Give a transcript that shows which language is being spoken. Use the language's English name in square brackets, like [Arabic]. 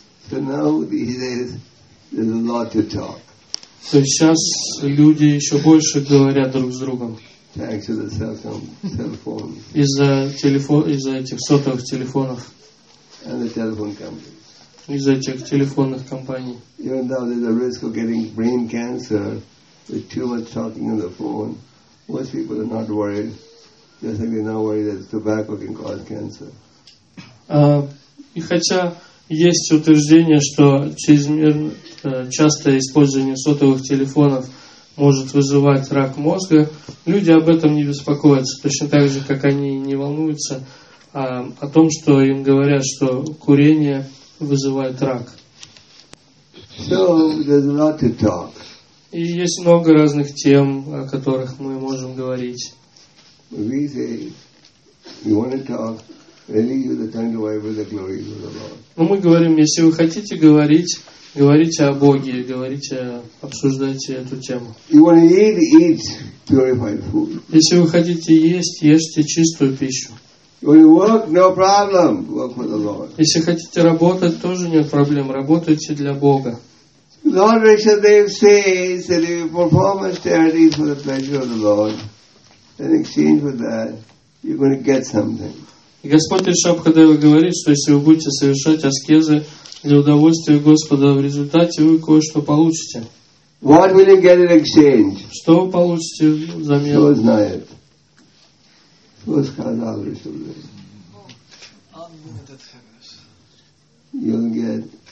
[English] So now there's a lot to talk. [Russian] То есть сейчас люди еще больше говорят друг с другом. [English] Thanks to the cell phone. [Russian] Из-за этих сотовых телефонов. [English] And the telephone companies. [Russian] Из-за этих телефонных компаний. [English] Even though there's a risk of getting brain cancer with too much talking on the phone, most people are not worried. Just like they're not worried that tobacco can cause cancer. [Russian] И хотя есть утверждение, что чрезмерно частое использование сотовых телефонов может вызывать рак мозга. Люди об этом не беспокоятся, точно так же, как они не волнуются о том, что им говорят, что курение вызывает рак. [English] So, there's a lot to talk. [Russian] И есть много разных тем, о которых мы можем говорить. [English] We say, you want to talk. [Russian] Но мы говорим, если вы хотите говорить, говорите о Боге, говорите, обсуждайте эту тему. Если вы хотите есть, ешьте чистую пищу. Если хотите работать, тоже нет проблем, работайте для Бога. [English] Lord Rishabdev says that if you perform austerities for the pleasure of the Lord, in exchange for that, you're going to get something. [Russian] И Господь Ришабхадева говорит, что если вы будете совершать аскезы для удовольствия Господа, в результате вы кое-что получите. [English] What will you get in exchange? [Russian] Что вы получите взамен? Кто знает? Кто сказал Ришабхадеву?